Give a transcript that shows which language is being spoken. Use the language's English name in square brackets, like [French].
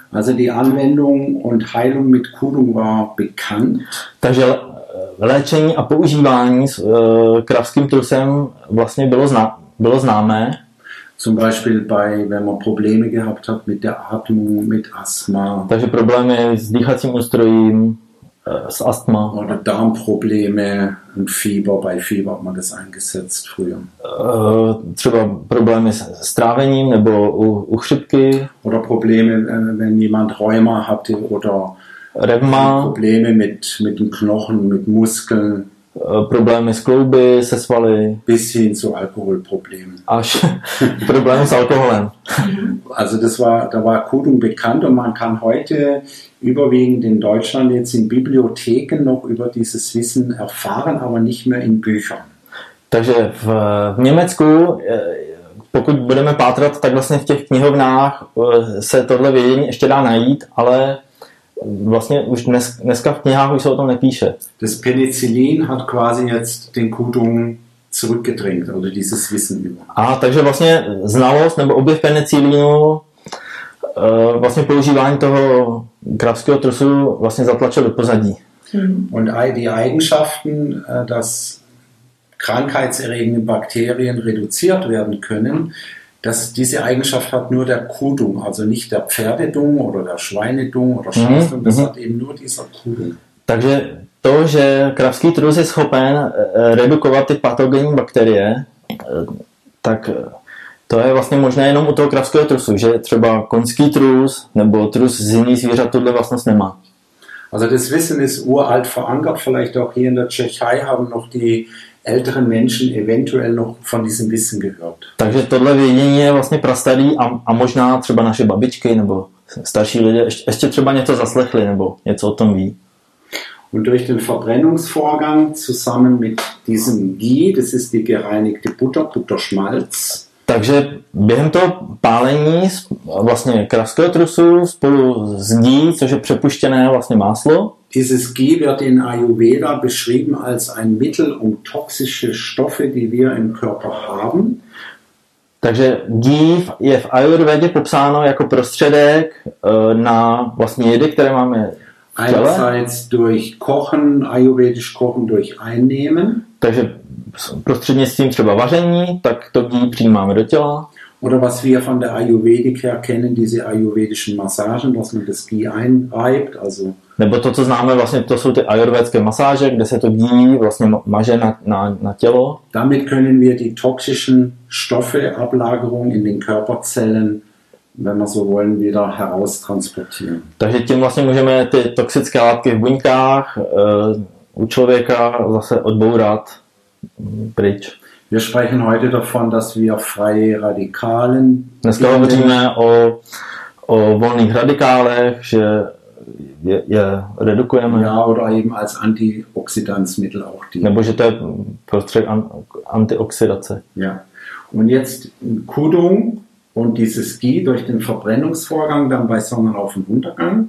[German] Also die Anwendung und Heilung mit Kudung war bekannt. [Czech] Takže léčení a používání s kravským trusem vlastně bylo známé. [German] Zum Beispiel bei, wenn man Probleme gehabt hat mit der Atmung, mit Asthma. [Czech] Takže problémy s dýchacím ústrojím, s Asthma. [German] Oder Darmprobleme und Fieber, bei Fieber hat man das eingesetzt früher. [Czech] Třeba problémy s trávením nebo u chřipky. [German] Oder Probleme, wenn jemand Rheuma hatte oder Rheuma. Probleme mit den Knochen, mit Muskeln. [Czech] Problémy s klouby, se svaly. [German] Bisschen zu Alkoholproblem. [Czech] Až problém s alkoholem. [German] Also das war, da war Kudung bekannt und man kann heute überwiegend in Deutschland jetzt in Bibliotheken noch über dieses Wissen erfahren, aber nicht mehr in Büchern. [Czech] Takže v Německu, pokud budeme pátrat, tak vlastně v těch knihovnách se tohle vědění ještě dá najít, ale vlastně už dneska v knihách už se o tom nepíše. [German] Das Penicillin hat quasi jetzt den Kudung zurückgedrängt oder dieses Wissen über. [Czech] A takže vlastně znalost nebo objev penicillinu vlastně používání toho kravského trusu vlastně zatlačil do pozadí. [German] Und all die Eigenschaften, dass krankheitserregende Bakterien reduziert werden können, dass diese Eigenschaft hat nur der Kudung, also nicht der Pferdedung oder der Schweinedung oder Schafsdung, das hat eben nur dieser Kudung. [Czech] Takže to, že kravský trus je schopen redukovat ty patogenní bakterie, tak to je vlastně možné jenom u toho kravského trusu, že třeba konský trus nebo trus z jiných zvířat tuhle vlastnost nemá. [German] Also das Wissen ist uralt verankert, vielleicht auch hier in der Tschechei haben noch die älteren Menschen eventuell noch von diesem Wissen gehört. [Czech] Takže tohle vědění je vlastně prastarý a možná třeba naše babičky nebo starší lidé ještě třeba něco zaslechli nebo něco o tom ví. [German] Und durch den Verbrennungsvorgang zusammen mit diesem Ghee, das ist die gereinigte Butter, Butterschmalz. [Czech] Takže během toho pálení vlastně kravského trusu spolu s Ghee, což je přepuštěné vlastně máslo. [German] Dieses Ghee wird in Ayurveda beschrieben als ein Mittel um toxische Stoffe, die wir im Körper haben. [Czech] Takže Ghee je v Ayurvedě popsáno jako prostředek na vlastně jedy, které máme. [German] Einerseits durch Kochen, ayurvedisch Kochen, durch Einnehmen. [Czech] Takže prostřednictvím třeba vaření, tak to Ghee přijímáme do těla. [German] Oder was wir von der Ayurvedik her kennen, diese ayurvedischen Massagen, dass man das Ghee einreibt, also. [Czech] Nebo to, co známe, vlastně to jsou ty ayurvédské masáže, kde se to Ghee vlastně maže na tělo. [German] Damit können wir die toxischen Stoffe, Ablagerung in den Körperzellen, wenn man so wollen, wieder heraustransportieren. [Czech] Takže tím vlastně můžeme ty toxické látky v buňkách u člověka zase odbourat pryč. [German] Wir sprechen heute davon, dass wir freie Radikalen. [Czech] Dneska hovoříme o volných radikálech, že je redukujeme. [German] Ja, oder eben als Antioxidanzmittel auch die. [Czech] Nebo že to je prostřed antioxidace. [German] Ja. Und jetzt Kudung und dieses Ghee durch den Verbrennungsvorgang dann bei Sonnenauf- und Untergang.